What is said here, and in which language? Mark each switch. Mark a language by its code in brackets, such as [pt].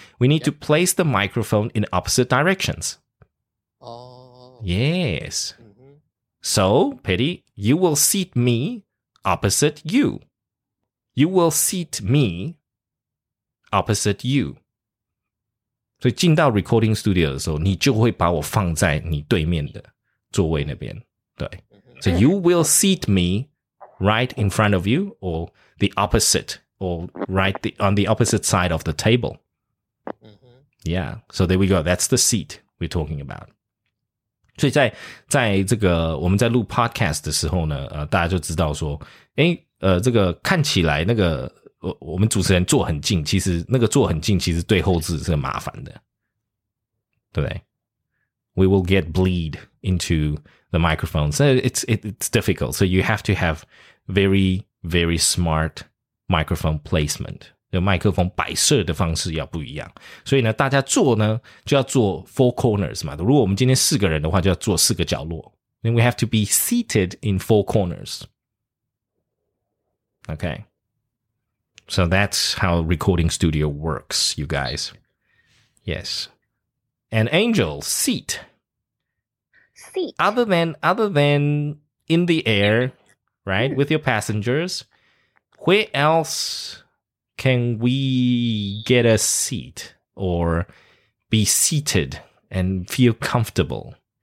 [en] We need to place the microphone in opposite directions. Yes. Mm-hmm. So, Petty, you will seat me opposite you. You will seat me opposite you. [zh] 所以进到 recording studio 的时候，你就会把我放在你对面的座位那边。对。 [en] So you will seat me right in front of you or the opposite or right on the opposite side of the table. Yeah. So there we go. That's the seat we're talking about. [zh] 所以在这个我们在录 podcast 的时候呢大家就知道说诶这个看起来那个我们主持人坐很近，其实那个坐很近其实对后置是很麻烦的。对不对 [en] ?We will get bleed into the microphone. So it's difficult. So you have to have very, very smart microphone placement. [zh] 麦克风摆设的方式要不一样。所以呢大家坐呢就要坐 [en] four corners [zh] 嘛。如果我们今天四个人的话就要坐四个角落。 [en] Then we have to be seated in four corners. Okay, so that's how recording studio works, you guys. Yes. And Angel, seat. Seat. Other than in the air, right, with your passengers, where else can we get a seat or be seated and feel comfortable?